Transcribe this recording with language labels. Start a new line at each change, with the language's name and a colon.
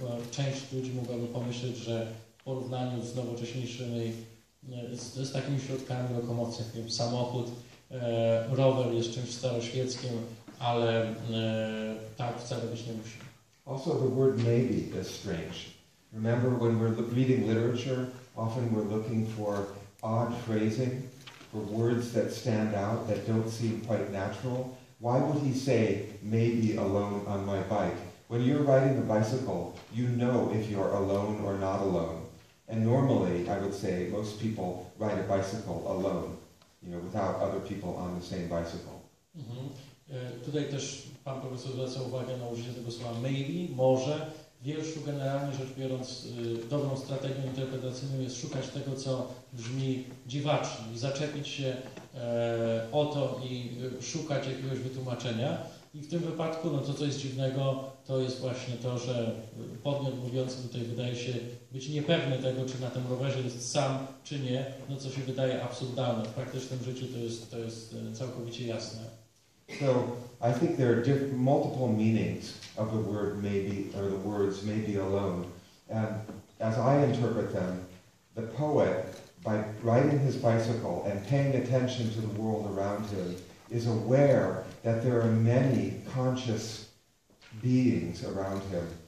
Polish: Część ludzi mogłaby pomyśleć, że w porównaniu z nowocześniejszymi, z takimi środkami lokomocji, jak samochód, rower jest czymś staroświeckim, ale tak wcale być nie musi.
English: Also the word maybe is strange. Remember when we're reading literature, often we're looking for odd phrasing, for words that stand out, that don't seem quite natural. Why would he say, maybe alone on my bike? When you're riding a bicycle, you know if you're alone or not alone. And normally, I would say, most people ride a bicycle alone, you know, without other people on the same bicycle. Mm-hmm.
Polish: Tutaj też pan profesor zwraca uwagę na użycie tego słowa maybe, może. W wierszu generalnie rzecz biorąc, dobrą strategią interpretacyjną jest szukać tego, co brzmi dziwacznie, zaczepić się o to i szukać jakiegoś wytłumaczenia. I w tym wypadku, no to co jest dziwnego, to jest właśnie to, że podmiot mówiący tutaj wydaje się być niepewny tego, czy na tym rowerze jest sam, czy nie, no co się wydaje absurdalne. W praktycznym życiu to jest całkowicie jasne.
English: So I think there are multiple meanings of the word maybe, or the words maybe alone. And as I interpret them, the poet, by riding his bicycle and paying attention to the world around him, is aware that there are many conscious beings around him.